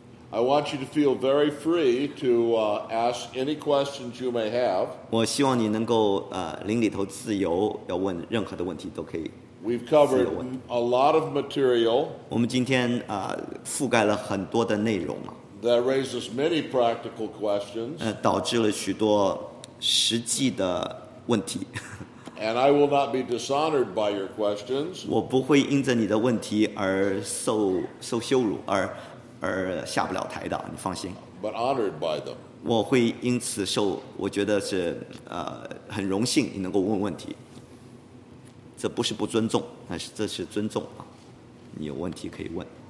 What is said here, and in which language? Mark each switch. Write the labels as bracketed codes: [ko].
[en] I want you to feel very free to ask any questions you may have. [zh] 我希望你能够灵里头自由，要问任何的问题都可以。 [en] We've covered a lot of material. [zh] 我们今天覆盖了很多的内容啊。 [en] That raises many practical questions. [zh] 导致了许多实际的问题。 [en] And I will not be dishonored by your questions. [zh] 我不会因着你的问题而受羞辱而下不了台的，你放心。 [en] But honored by them. [zh] 我会因此受，我觉得是很荣幸你能够问问题。这不是不尊重，但是这是尊重啊，你有问题可以问。